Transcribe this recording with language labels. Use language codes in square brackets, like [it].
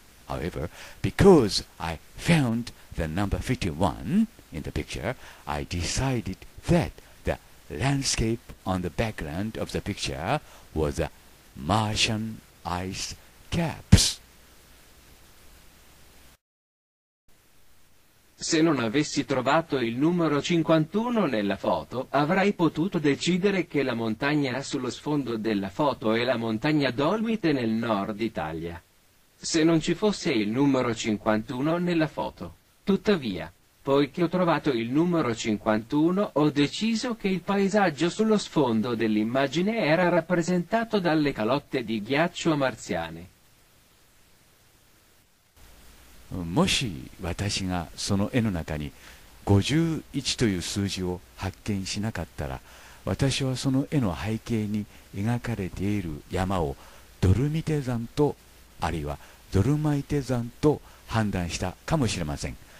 [en] However, because I found the number 51 in the picture, I decided that the landscape on the background of the picture was a Martian ice caps. [it] Se non avessi trovato il numero 51 nella foto, avrei potuto decidere che la montagna sullo sfondo della foto è la montagna Dolomite nel nord Italia. Se non ci fosse il numero 51 nella foto. Tuttavia, poiché ho trovato il numero 51, ho deciso che il paesaggio sullo sfondo dell'immagine era rappresentato dalle calotte di ghiaccio marziane. [ja] もし私がその絵の中に51という数字を発見しなかったら、私はその絵の背景に描かれている山をドルミテ山と、あるいはドルマイテ山と判断したかもしれません。